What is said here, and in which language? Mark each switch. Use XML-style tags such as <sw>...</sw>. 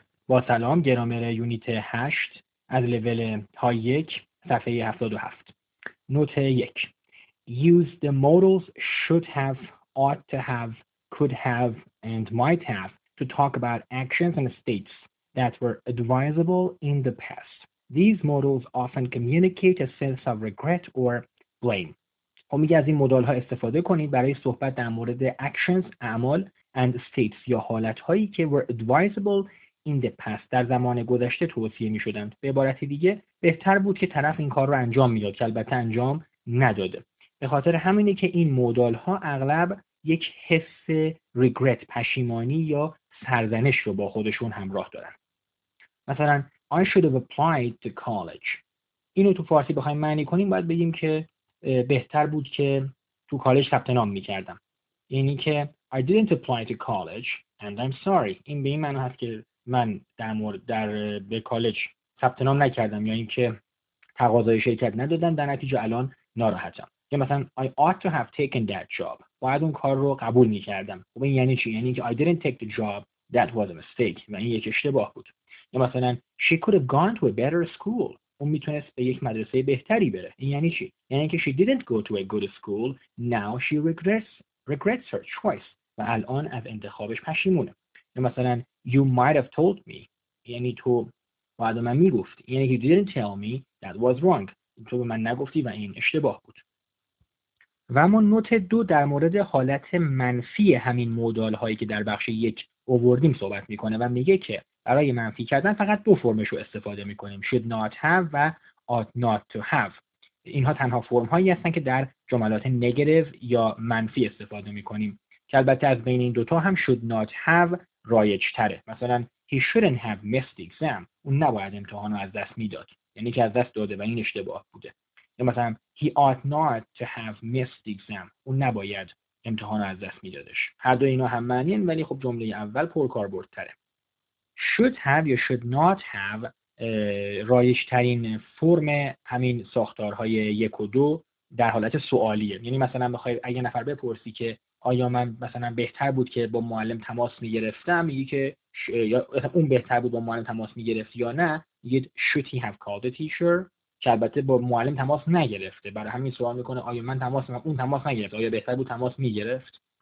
<fa>با سلام، گرامر یونیت 8 از لول های 1 صفحه 77.</fa> <en>Note 1: Use the modals should have, ought to have, could have and might have to talk about actions and states that were advisable in the past. These modals often communicate a sense of regret or blame.</en> <fa>خب میگه از این مدال ها استفاده کنید برای صحبت در مورد actions، اعمال</fa> <en>and states</en> <fa>یا حالت هایی که</fa> <en>were advisable in the past،</en> <fa>در زمان گذشته توصیه می شدند. به عبارت دیگه بهتر بود که طرف این کار رو انجام می داد که البته انجام نداده. به خاطر همینه که این مدال ها اغلب یک حس regret، پشیمانی یا سرزنش رو با خودشون همراه دارن. مثلا</fa> <en>I should have applied to college.</en> <fa>اینو تو فارسی بخوایم معنی کنیم باید بگیم که بهتر بود که تو کالج ثبت نام می‌کردم. یعنی که</fa> <en>I didn't apply to college and I'm sorry.</en> <fa>این به این معنی هست که من به کالج ثبت نام نکردم یا اینکه تقاضای شرکت ندادن، در نتیجه الان ناراحتم. یا مثلا</fa> <en>I ought to have taken that job.</en> <fa>باید اون کار رو قبول می‌کردم. خب این یعنی چی؟ یعنی که</fa> <en>I didn't take the job. That was a mistake.</en> <fa>و این یک اشتباه بود. یا مثلا</fa> <en>she could have gone to a better school.</en> <fa>اون میتونست به یک مدرسه بهتری بره. این یعنی چی؟ یعنی که</fa> <en>she didn't go to a good school. Now she regrets her choice.</en> <fa>و الان از انتخابش پشیمونه. یا مثلا</fa> <en>you might have told me.</en> <fa>یعنی تو بعد من میگفت. یعنی</fa> <en>you didn't tell me. That was wrong.</en> <fa>تو به من نگفتی و این اشتباه بود. و اما نوت 2 در مورد حالت منفی همین مودال هایی که در بخش 1 اووردیم صحبت میکنه و میگه که برای منفی کردن فقط دو فرمش رو استفاده میکنیم،</fa> <en>should not have</en> <fa>و</fa> <en>ought not to have.</en> <fa>اینها تنها فرم هایی هستن که در جملات نگتیو یا منفی استفاده میکنیم، که البته از بین این دوتا هم</fa> <en>should not have</en> <fa>رایج تره. مثلا</fa> <en>he shouldn't have missed the exam.</en> <fa>اون نباید امتحان رو از دست میداد، یعنی که از دست داده و این اشتباه بوده. یا مثلا</fa> <en>he ought not to have missed the exam.</en> <fa>اون نباید امتحان رو از دست میدادش. هر دو اینا هم معنین، ولی خب جمله اول پرکاربردتره.</fa> <en>should have</en> <fa>یا</fa> <en>should not have</en> <fa>رایج ترین فرم همین ساختارهای 1 و 2 در حالت سوالیه. یعنی مثلا بخواید اگه نفر بپرسی که آیا من مثلا بهتر بود که با معلم تماس میگرفتم، میگی که یا اون بهتر بود با معلم تماس میگرفت یا نه، میگید</fa> <en>should he have called the teacher،</en> <fa>که البته با معلم تماس نگرفته، برای همین سوال میکنه آیا من تماس میگرفتم، اون تماس نگرفت، آیا بهتر بود تماس میگرفت.</fa>